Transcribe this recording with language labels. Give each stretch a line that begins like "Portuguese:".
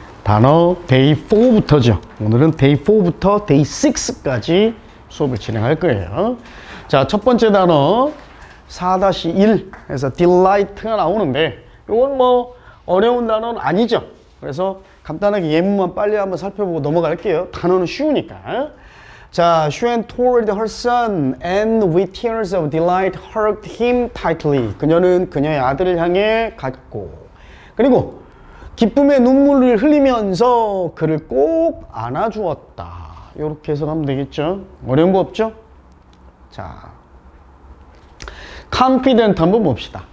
Korean: 단어 데이 4부터죠. 오늘은 데이 4부터 데이 6까지 수업을 진행할 거예요. 자, 첫 번째 단어 4-1에서 delight가 나오는데 이건 뭐 어려운 단어는 아니죠. 그래서 간단하게 예문만 빨리 한번 살펴보고 넘어갈게요. 단어는 쉬우니까.
English: 자, she went toward her son and with tears of delight hugged him tightly.
Korean: 그녀는 그녀의 아들을 향해 갔고 그리고 기쁨의 눈물을 흘리면서 그를 꼭 안아주었다. 이렇게 해석하면 되겠죠. 어려운 거 없죠? 자, confident 한번 봅시다.